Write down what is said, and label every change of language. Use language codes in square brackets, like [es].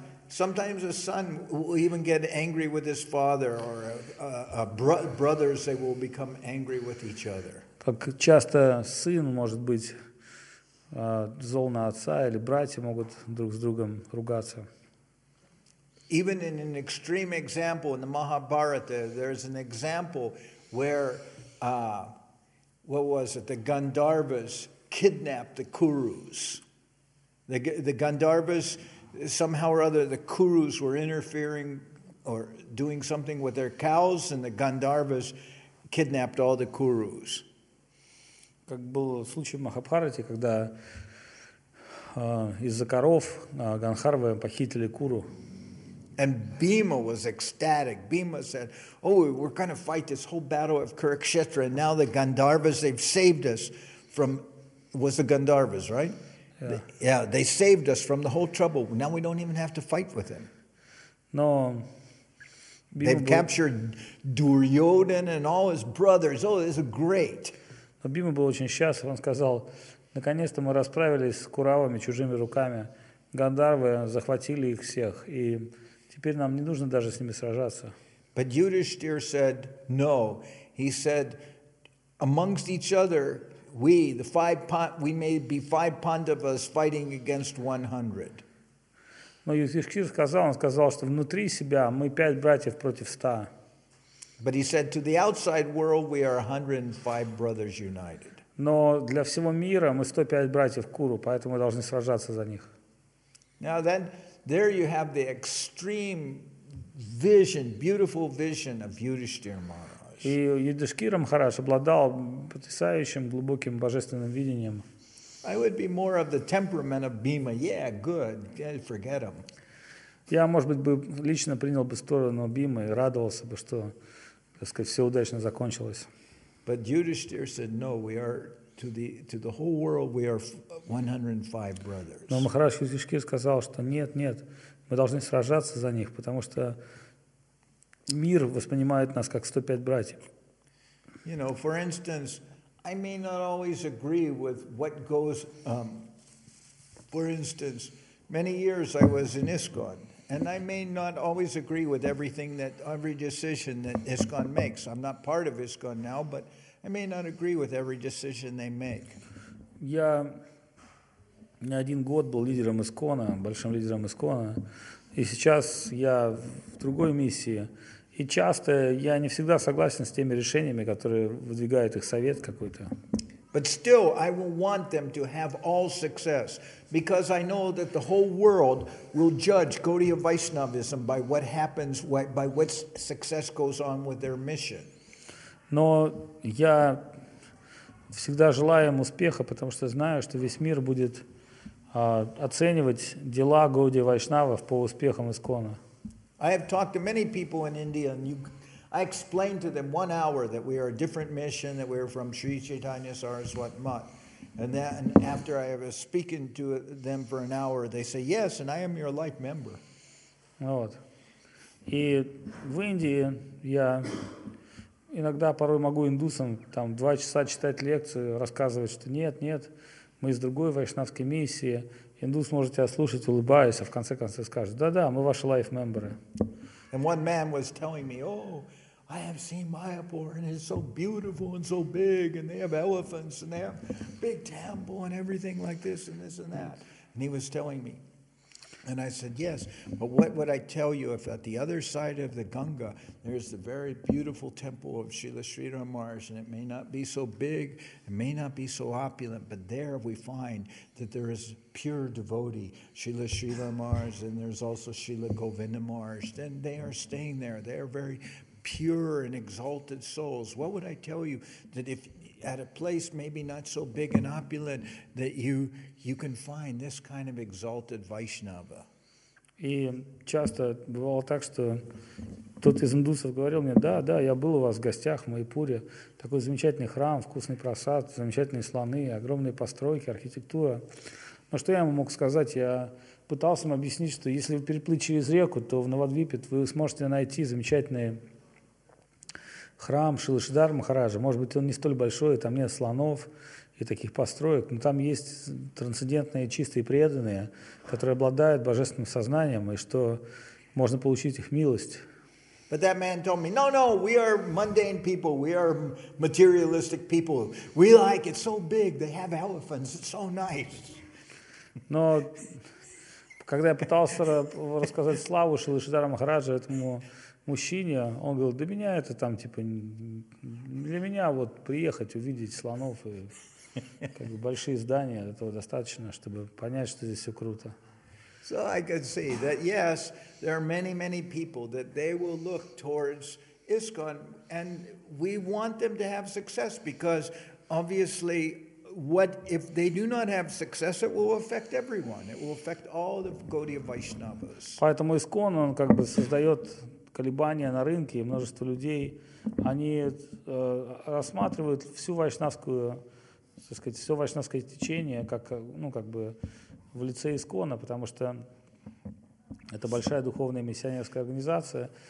[en] Sometimes the son will even get angry with his father, or brothers they will become angry with each other. [ru] Так часто сын может быть зол на отца, или братья могут друг с другом ругаться. [en] Even in an extreme example in the Mahabharata, there's an example where the Gandharvas kidnapped the Kurus. The Gandharvas, somehow or other, the Kurus were interfering or doing something with their cows, and the Gandharvas kidnapped all the Kurus. [ru] Как был случай в Махабхарате, когда из-за коров Гандхарвы похитили Куру. [en] And Bhima was ecstatic. Bhima said, "Oh, we're going to fight this whole battle of Kurukshetra, and now the Gandharvas, they've saved us from..." Was the Gandharvas, right? Yeah. Yeah, they saved us from the whole trouble. Now we don't even have to fight with them. No. They've captured Duryodhan and all his brothers. Oh, this is great. [ru] Bhima был очень счастлив. Он сказал, наконец-то мы расправились с Куравами чужими руками. Гандарвы захватили их всех, и теперь нам не нужно даже с ними сражаться. [en] But Yudhishthir said no. He said, amongst each other, we may be five Pandavas fighting against 100. [ru] Но Юдхиштхир сказал, он сказал, что внутри себя мы пять братьев против 100. [en] But he said, to the outside world, we are 105 brothers united. [ru] Но для всего мира мы 105 братьев Куру, поэтому мы должны сражаться за них. [en] Now then, there you have the extreme vision, beautiful vision of Yudhishthira Maharaj. [ru] И Юдхиштхира Махарадж обладал потрясающим, глубоким, божественным видением. [en] I would be more of the temperament of Bhima. Yeah, good. Yeah, forget him. [ru] Я, может быть, бы лично принял бы сторону Бхимы и радовался бы, что, так сказать, все удачно закончилось. [en] But Yudhishthir said, no, we are to the whole world, we are 105 brothers. [ru] Но Махарадж Юдхиштхир сказал, что нет, нет, мы должны сражаться за них, потому что мир воспринимает нас как 105 братьев. [en] You know, for instance, I may not always agree with what goes, for instance, many years I was in ISKCON, and I may not always agree with everything that, every decision that ISKCON makes. I'm not part of ISKCON now, but I may not agree with every decision they make. [ru] Я не один год был лидером ИСККОНа, большим лидером ИСККОНа, и сейчас я в другой миссии. И часто я не всегда согласен с теми решениями, которые выдвигает их совет какой-то. [en] But still, I will want them to have all success, because I know that the whole world will judge Gaudiya Vaishnavism by what happens, by what success goes on with their mission. [ru] Но я всегда желаю им успеха, потому что знаю, что весь мир будет оценивать дела Гаудии Вайшнавов по успехам ИСККОНа. [en] I have talked to many people in India, and I explained to them 1 hour that we are a different mission, that we are from Sri Chaitanya Saraswat Math. And then after I have spoken to them for an hour, they say, yes, and I am your life member. [ru] Вот. И в Индии я иногда порой могу индусам там 2 часа читать лекцию, рассказывать, что нет, нет, мы из другой вайшнавской миссии. Индус может тебя слушать, улыбаясь, а в конце концов скажет, да-да, мы ваши лайф-мембры. [en] And one man was telling me, oh, I have seen Mayapur, and it's so beautiful and so big, and they have elephants, and they have big temple, and everything like this, and this and that. And he was telling me. And I said, yes, but what would I tell you if at the other side of the Ganga, there's the very beautiful temple of Srila Sridhar Maharaj, and it may not be so big, it may not be so opulent, but there we find that there is pure devotee, Srila Sridhar Maharaj, and there's also Srila Govinda Maharaj, then they are staying there. They are very pure and exalted souls. What would I tell you that if at a place maybe not so big and opulent that you can find this kind of exalted Vaishnava? [ru] И часто бывало так, что тот из индусов говорил мне, да, да, я был у вас в гостях в Майпуре, такой замечательный храм, вкусный просад, замечательные слоны, огромные постройки, архитектура. Но что я ему мог сказать? Я пытался ему объяснить, что если вы переплыть через реку, то в Навадвипе вы сможете найти замечательные храм Шрилы Шридхара Махараджа, может быть, он не столь большой, там нет слонов и таких построек, но там есть трансцендентные чистые преданные, которые обладают божественным сознанием, и что можно получить их милость. [en] But that man told me, no, we are mundane people, we are materialistic people, we like it so big, they have elephants, it's so nice. [ru] Но когда я пытался рассказать славу Шрилы Шридхара Махараджа этому мужчине, он говорил, для меня это там, типа, для меня вот приехать, увидеть слонов и как бы большие здания, этого достаточно, чтобы понять, что здесь все круто. [en] So I could see that, yes, there are many, many people that they will look towards ISKCON, and we want them to have success, because obviously what if they do not have success, it will affect everyone. It will affect all the Gaudiya Vaishnavas. [ru] Поэтому ИСККОН он как бы создает колебания на рынке, и множество людей, они рассматривают всю вайшнавскую, так сказать, все вайшнавское течение как, ну, как бы в лице ИСККОНа, потому что это большая духовная миссионерская организация.